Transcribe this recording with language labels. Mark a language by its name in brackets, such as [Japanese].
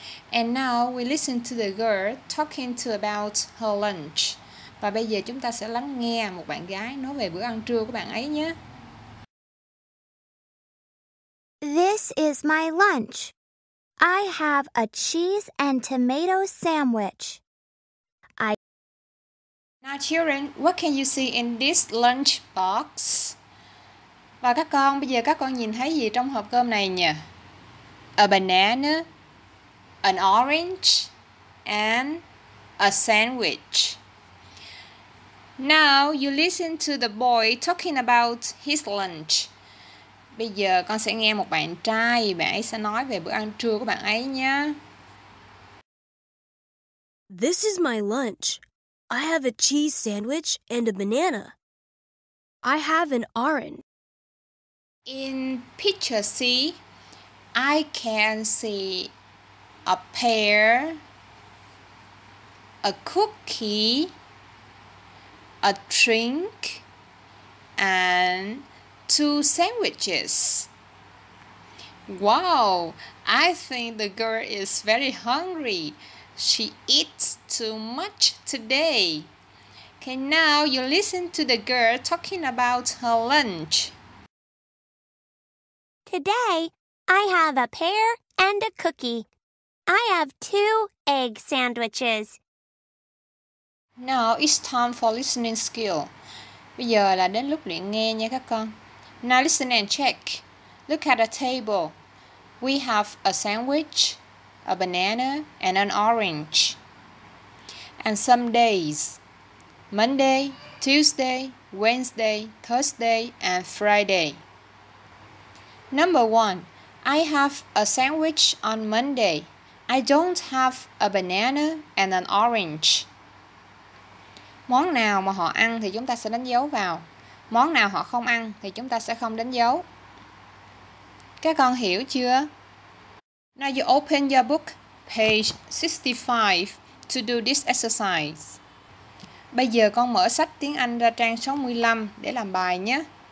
[English] And now we listen to the girl talking to about her lunch. [Vietnamese] Và bây giờ chúng ta sẽ lắng nghe một bạn gái nói về bữa ăn trưa của bạn ấy nhé. [English] This is my lunch. I have a cheese and tomato sandwich. Now children, what can you see in this lunch box? [Vietnamese] Và các con, bây giờ các con nhìn thấy gì trong hộp cơm này nhỉ? [English] A banana, an orange, and a sandwich. Now you listen to the boy talking about his lunch. [Vietnamese] Bây giờ con sẽ nghe một bạn trai, bạn ấy sẽ nói về bữa ăn trưa của bạn ấy nhé. [English] This is my lunch. I have a cheese sandwich and a banana. I have an orange. In picture C, I can see a pear, a cookie, a drink, and two sandwiches. Wow, I think the girl is very hungry. She eats too much today. Okay, now you listen to the girl talking about her lunch. Today, I have a pear and a cookie. I have two egg sandwiches. Now it's time for listening skill. [Vietnamese] Bây giờ là đến lúc luyện nghe nha các con. [English] Now listen and check. Look at the table. We have a sandwich, a banana, and an orange. And some days. Monday, Tuesday, Wednesday, Thursday, and Friday. Number one. I have a sandwich on Monday. I don't have a banana and an orange. [Vietnamese] Món nào mà họ ăn thì chúng ta sẽ đánh dấu vào. Món nào họ không ăn thì chúng ta sẽ không đánh dấu. Các con hiểu chưa? [English] Now you open your book, page 65, to do this exercise. [Vietnamese] Bây giờ con mở sách tiếng Anh ra trang 65 để làm bài nhé.